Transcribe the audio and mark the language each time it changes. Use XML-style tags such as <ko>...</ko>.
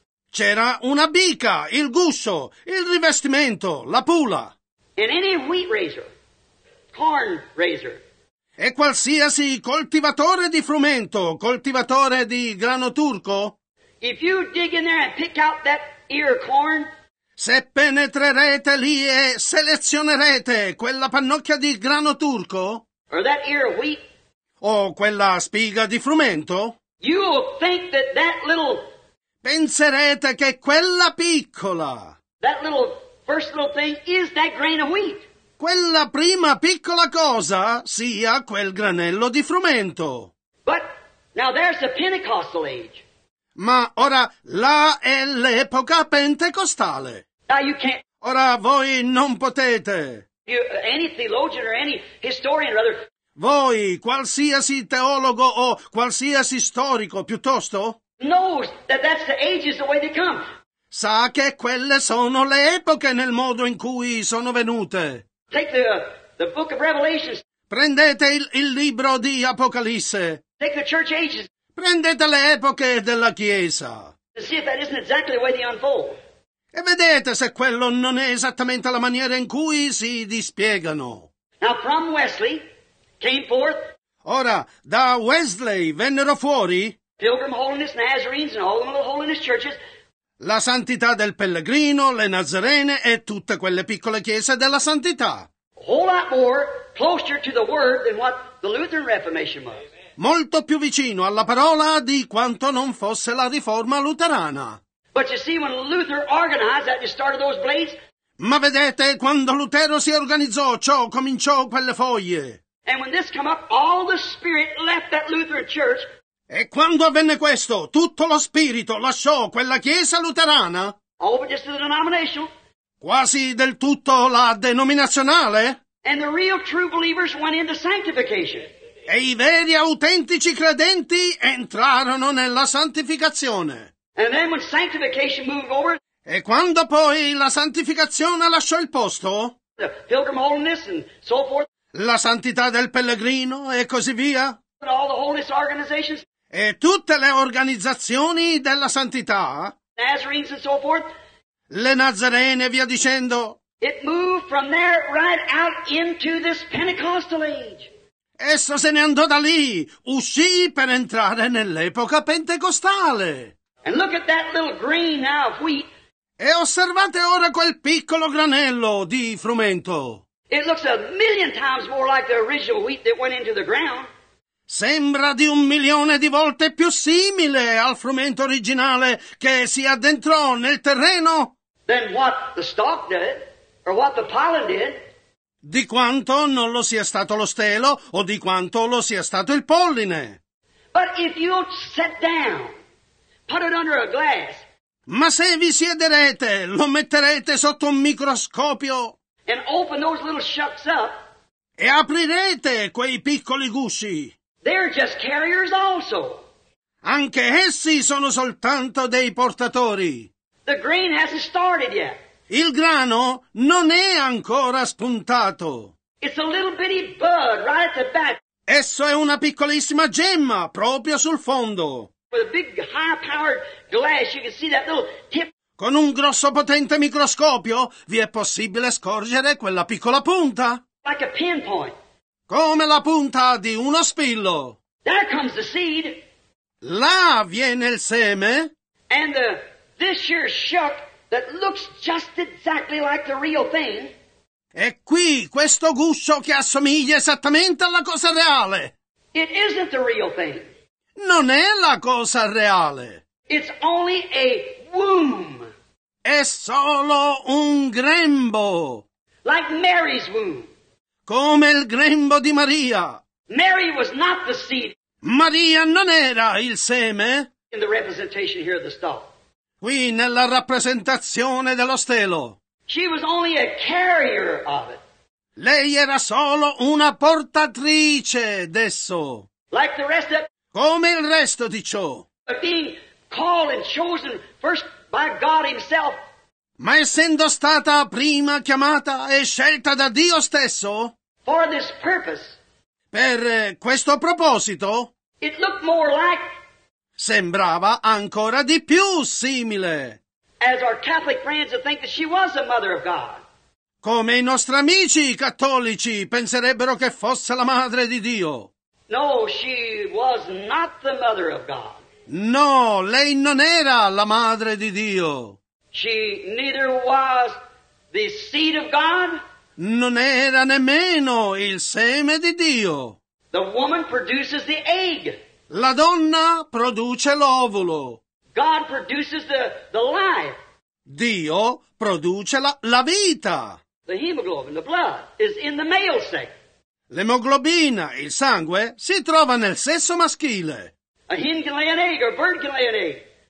<it>C'era una bica, il guscio, il rivestimento, la pula.</it> <en>And any wheat raiser, corn raiser.</en> <it>E qualsiasi coltivatore di frumento, coltivatore di grano turco,</it> <en>if you dig in there and pick out that ear of corn,</en> <it>se penetrerete lì e selezionerete quella pannocchia di grano turco,</it> <en>or that ear of wheat,</en> <it>o quella spiga di frumento,</it> <en>you will think that that little,</en> <it>penserete che quella piccola,</it> <en>that little first little thing is that grain of wheat.</en> <it>Quella prima piccola cosa sia quel granello di frumento.</it> <en>But now there's the Pentecostal age.</en> <it>Ma ora là è l'epoca pentecostale.</it> <en>Now you can't.</en> <it>Ora voi non potete.</it> <en>You, any theologian or any historian or other.</en> <it>Voi, qualsiasi teologo o qualsiasi storico, piuttosto,</it> <en>knows that that's the ages the way they come.</en> <it>Sa che quelle sono le epoche nel modo in cui sono venute.</it> <en>Take the book of Revelation.</en> <it>Prendete il libro di Apocalisse.</it> <en>Take the church ages.</en> <it>Prendete le epoche della Chiesa.</it> <en>See if that isn't exactly the way they unfold.</en> <it>E vedete se quello non è esattamente la maniera in cui si dispiegano.</it> <en>Now from Wesley came forth.</en> <it>Ora, da Wesley vennero fuori</it> <en>Pilgrim Holiness, Nazarenes, and all the little Holiness churches.</en> <it>La santità del pellegrino, le Nazarene e tutte quelle piccole chiese della santità.</it> <en>A whole lot more closer to the word than what the Lutheran Reformation was.</en> <it>Molto più vicino alla parola di quanto non fosse la riforma luterana.</it> <en>But you see, when Luther organized that, you started those blades.</en> <it>Ma vedete, quando Lutero si organizzò, ciò cominciò quelle foglie.</it> <en>And when this came up, all the spirit left that Lutheran church.</en> <it>E quando avvenne questo, tutto lo spirito lasciò quella chiesa luterana.</it> <en>All but just the denominational.</en> <it>Quasi del tutto la denominazionale.</it> <en>And the real true believers went into sanctification.</en> <it>E i veri autentici credenti entrarono nella santificazione.</it> <en>And then when sanctification moved over,</en> <it>e quando poi la santificazione lasciò il posto,</it> <en>the pilgrim holiness and so forth,</en> <it>la santità del pellegrino e così via,</it> <en>and all the holiness organizations,</en> <it>e tutte le organizzazioni della santità,</it> <en>Nazarenes and so forth,</en> <it>le Nazarene via dicendo,</it> <en>it moved from there right out into this Pentecostal age.</en> <it>Esso se ne andò da lì, uscì per entrare nell'epoca pentecostale.</it> <en>And look at that little grain now of wheat.</en> <it>E osservate ora quel piccolo granello di frumento.</it> <en>It looks a million times more like the original wheat that went into the ground.</en> <it>Sembra di un milione di volte più simile al frumento originale che si addentrò nel terreno.</it> <en>Than what the stalk did, or what the pollen did.</en> <it>Di quanto non lo sia stato lo stelo o di quanto lo sia stato il polline.</it> <en>But if you sit down, put it under a glass.</en> <it>Ma se vi siederete, lo metterete sotto un microscopio.</it> <en>And open those little shucks up.</en> <it>E aprirete quei piccoli gusci.</it> <en>They're just carriers also.</en> <it>Anche essi sono soltanto dei portatori.</it> <en>The grain hasn't started yet.</en> <it>Il grano non è ancora spuntato.</it> <en>It's a little bitty bud right at the back.</en> <it>Esso è una piccolissima gemma proprio sul fondo.</it> <en>With a big high-powered glass, you can see that little tip.</en> <it>Con un grosso potente microscopio vi è possibile scorgere quella piccola punta.</it> <en>Like a pinpoint.</en> <it>Come la punta di uno spillo.</it> <en>There comes the seed.</en> <it>Là viene il seme.</it> <en>And this year's shuck. That looks just exactly like the real thing.</en> <it>E qui questo guscio che assomiglia esattamente alla cosa reale.</it> <en>It isn't the real thing.</en> <it>Non è la cosa reale.</it> <en>It's only a womb.</en> <it>È solo un grembo.</it> <en>Like Mary's womb.</en> <it>Come il grembo di Maria.</it> <en>Mary was not the seed.</en> <it>Maria non era il seme.</it> <en>In the representation here of the stalk.</en> <it>Qui nella rappresentazione dello stelo.</it> <en>She was only a carrier of it.</en> <it>Lei era solo una portatrice d'esso.</it> <en>Like the rest of,</en> <it>come il resto di ciò.</it> <en>Being called and chosen first by God himself.</en> <it>Ma essendo stata prima chiamata e scelta da Dio stesso.</it> <en>For this purpose.</en> <it>Per questo proposito.</it> <en>It looked more like.</en> <it>Sembrava ancora di più simile.</it> <en>As our Catholic friends would think that she was the mother of God.</en> <it>Come i nostri amici cattolici penserebbero che fosse la madre di Dio.</it> <en>No, she was not the mother of God.</en> <it>No, lei non era la madre di Dio.</it> <en>She neither was the seed of God.</en> <it>Non era nemmeno il seme di Dio.</it> <en>The woman produces the egg.</en> <it>La donna produce l'ovulo.</it> <en>God produces the life.</en> <it>Dio produce la vita.</it> <en>The hemoglobin, the blood, is in the male sex.</en> <it>L'emoglobina, il sangue, si trova nel sesso maschile.</it> <en>A hen can lay an egg, or a bird can lay an egg.</en>